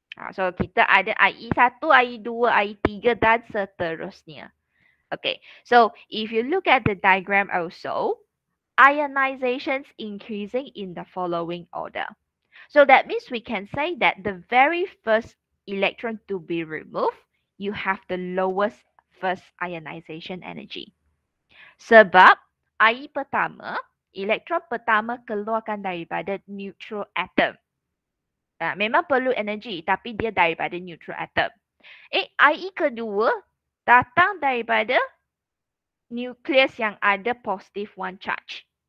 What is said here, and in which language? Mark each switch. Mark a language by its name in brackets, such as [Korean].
[Malay] So kita ada IE 1, IE 2, IE 3 dan seterusnya. [English] Okay, so if you look at the diagram also, ionization is increasing in the following order. So that means we can say that the very first electron to be removed, you have the lowest first ionization energy. [Malay] Sebab IE pertama, elektron pertama keluarkan daripada neutral atom. Memang perlu energi tapi dia daripada neutral atom. IE kedua datang daripada nucleus yang ada positive one charge.